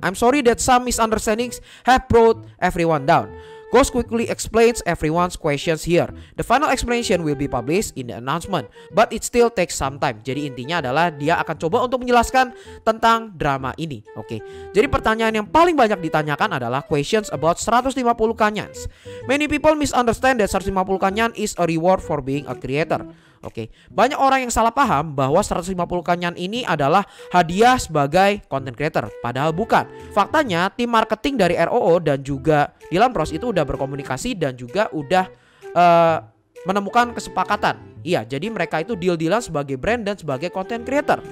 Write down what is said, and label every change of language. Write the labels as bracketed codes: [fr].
[en] I'm sorry that some misunderstandings have brought everyone down. Ghost quickly explains everyone's questions here. The final explanation will be published in the announcement, but it still takes some time. [id] Jadi intinya adalah dia akan coba untuk menjelaskan tentang drama ini, oke? Jadi pertanyaan yang paling banyak ditanyakan adalah [en] questions about 150 kanyans. Many people misunderstand that 150 kanyan is a reward for being a creator. [id] Oke, banyak orang yang salah paham bahwa 150 kanyan ini adalah hadiah sebagai content creator, padahal bukan. Faktanya, tim marketing dari ROO dan juga Dilanpros itu udah berkomunikasi dan juga udah menemukan kesepakatan. Iya, jadi mereka itu deal-dealan sebagai brand dan sebagai content creator.